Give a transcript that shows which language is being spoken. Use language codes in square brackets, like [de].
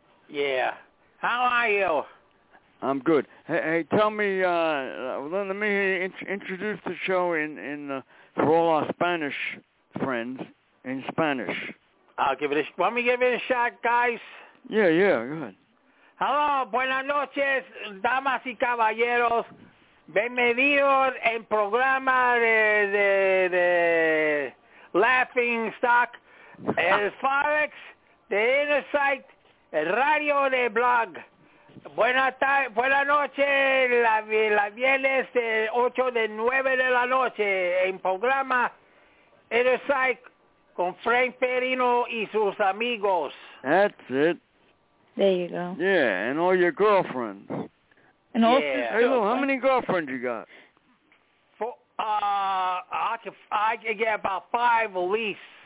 [en] Yeah. How are you? I'm good. Hey, tell me, let me introduce the show in for all our Spanish friends in Spanish. I'll give it a shot. Want me to give it a shot, guys? Yeah, yeah, go ahead. [es] Hello, buenas noches, damas y caballeros. Bienvenidos en programa de Laughing Stock, el Forex, de Inner Sight, el radio de blog. Buenas noches, la viernes de 8 de 9 de la noche en programa Inner Sight con Frank Perino y sus amigos. [en] That's it. There you go. Yeah, and all your girlfriends. And yeah. Also, hey, Lou, how many girlfriends you got? I can get about five a lease.